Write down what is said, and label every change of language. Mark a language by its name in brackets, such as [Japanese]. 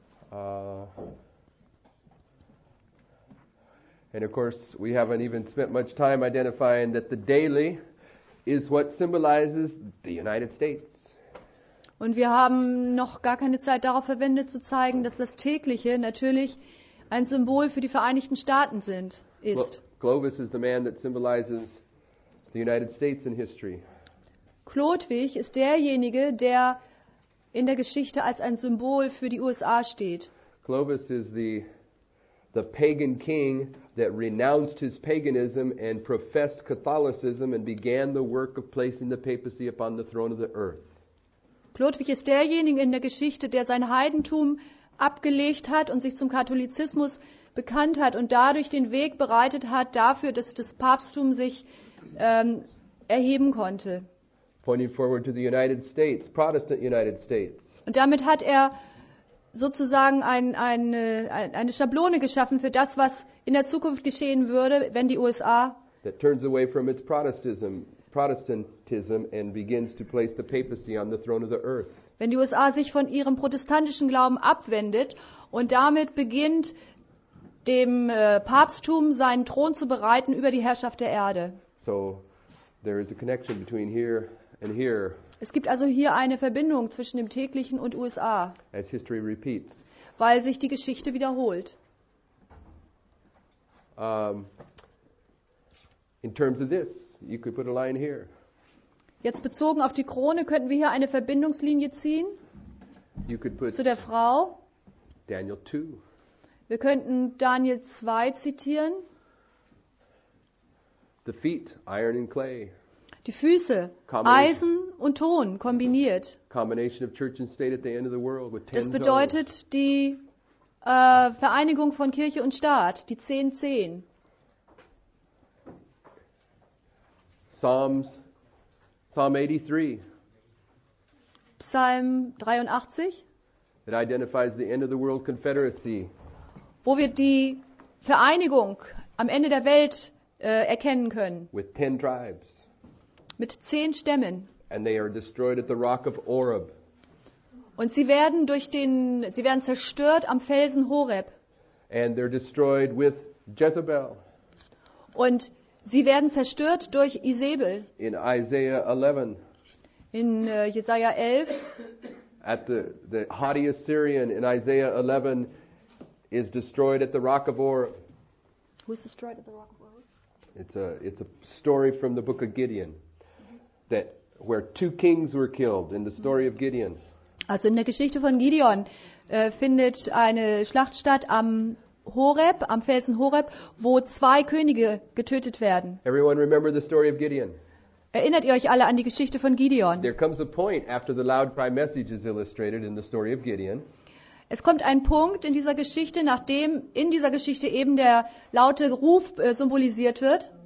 [English] And of course, we haven't even spent much time identifying that the daily is what symbolizes the United States. [German] Und wir haben noch gar keine Zeit darauf verwendet, zu zeigen, dass das Tägliche natürlich ein Symbol für die Vereinigten Staaten sind, ist. [English] Clovis is the man that symbolizes the United States in history. [German] Clovis ist derjenige, der in der Geschichte als ein Symbol für die USA steht. [English] Clovis is the pagan king that renounced his paganism and professed Catholicism and began the work of placing the papacy upon the throne of the earth. [German] Ludwig ist derjenige in der Geschichte, der sein Heidentum abgelegt hat und sich zum Katholizismus bekannt hat und dadurch den Weg bereitet hat dafür, dass das Papsttum sich erheben konnte. [English] Pointing forward to the United States, Protestant United States. [German] Und damit hat er sozusagen eine Schablone geschaffen für das, was in der Zukunft geschehen würde, wenn die USA [English] that turns away from its Protestantism and begins to place the papacy on the throne of the earth. [German] Wenn die USA sich von ihrem protestantischen Glauben abwendet und damit beginnt, dem Papsttum seinen Thron zu bereiten über die Herrschaft der Erde. [English] So, there is a connection between here and here. [German] Es gibt also hier eine Verbindung zwischen dem täglichen und USA. [English] As history repeats. [German] Weil sich die Geschichte wiederholt. [English] In terms of this, you could put a line here. [German] Jetzt bezogen auf die Krone könnten wir hier eine Verbindungslinie ziehen zu der Frau. [English] Daniel 2. [German] Wir könnten Daniel 2 zitieren. [English] The feet, iron and clay. [German] Die Füße, Eisen und Ton kombiniert. [English] Combination of church and state at the end of the world with 10 [German] toes. Das bedeutet die Vereinigung von Kirche und Staat, die 10 Zehen. [English] Psalm 83. [German] Psalm 83. [English] It identifies the end of the world confederacy. [German] Wo wir die Vereinigung am Ende der Welt erkennen können. [English] With 10 tribes. [German] Mit 10 Stämmen. [English] And they are destroyed at the rock of Oreb. [German] Und sie werden zerstört am Felsen Horeb. [English] And they're destroyed with Jezebel. [German] Und sie werden zerstört durch Isabel. [English] In Isaiah 11. [German] In Jesaja 11. [English] At the haughty Assyrian in Isaiah 11 is destroyed at the rock of Or. Who's destroyed at the rock of Or? It's a story from the book of Gideon, that where two kings were killed in the story of Gideon. [German] Also in der Geschichte von Gideon findet eine Schlacht statt am Horeb, am Felsen Horeb, wo zwei Könige getötet werden. [English] Everyone remember the story of Gideon. [German] Erinnert ihr euch alle an die Geschichte von Gideon? [English] There comes a point after the loud cry message is illustrated in the story of Gideon. [German] Es kommt ein Punkt in dieser Geschichte, nachdem in dieser Geschichte eben der laute Ruf symbolisiert wird,